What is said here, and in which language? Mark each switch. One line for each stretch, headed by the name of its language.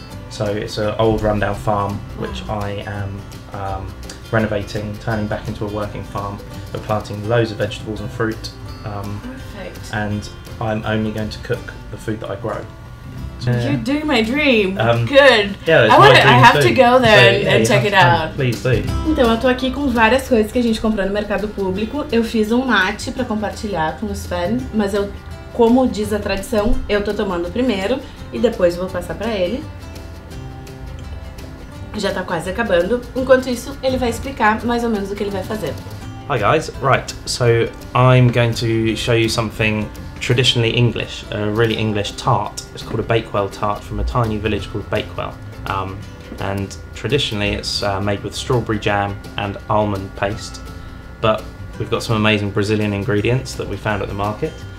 English: So it's an old rundown farm, which I am renovating, turning back into a working farm, but planting loads of vegetables and fruit. Perfect. And I'm only going to cook the food that I grow. You're doing my dream. Good. Yeah, it's I have to go there and check it out. Please do.
Portuguese: Então, eu tô aqui com várias coisas que a gente comprou no mercado público. Eu fiz um mate para compartilhar com os fãs, mas eu, como diz a tradição, eu tô tomando primeiro e depois vou passar para ele. Já tá quase acabando. Enquanto isso, ele vai explicar mais ou menos o que ele vai fazer.
English: Hi guys. Right. So, I'm going to show you something traditionally English, a really English tart. It's called a Bakewell tart from a tiny village called Bakewell. And traditionally it's made with strawberry jam and almond paste. But we've got some amazing Brazilian ingredients that we found at the market.